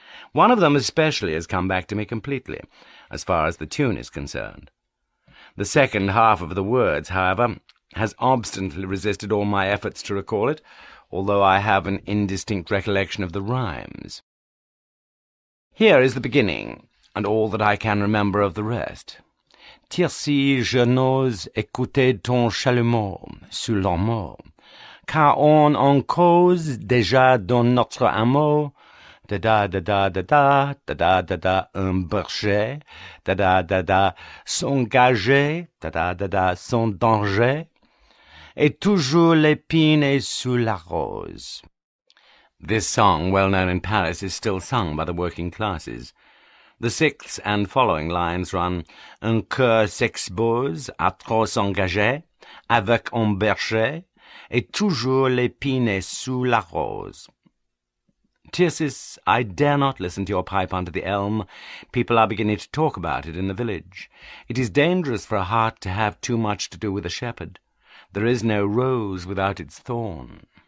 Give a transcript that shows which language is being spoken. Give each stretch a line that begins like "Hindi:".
English: One of them especially has come back to me completely, as far as the tune is concerned. The second half of the words, however, has obstinately resisted all my efforts to recall it, although I have an indistinct recollection of the rhymes. Here is the beginning, and all that I can remember of the rest.
French: Tircy, je n'ose écouter ton chalumeau sous l'eau, car on en cause déjà dans notre amour. Da da da da da da da da da da un berger, da da da da s'engager, da da da da son danger, et toujours l'épine est sous la rose.
English: This song, well known in Paris, is still sung by the working classes.
French: The sixth and following lines run, un cœur s'expose à trop s'engager, avec un berger, et toujours l'épine est sous la rose.
English: Tircis, I dare not listen to your pipe under the elm. People are beginning to talk about it in the village. It is dangerous for a heart to have too much to do with a shepherd. There is no rose without its thorn.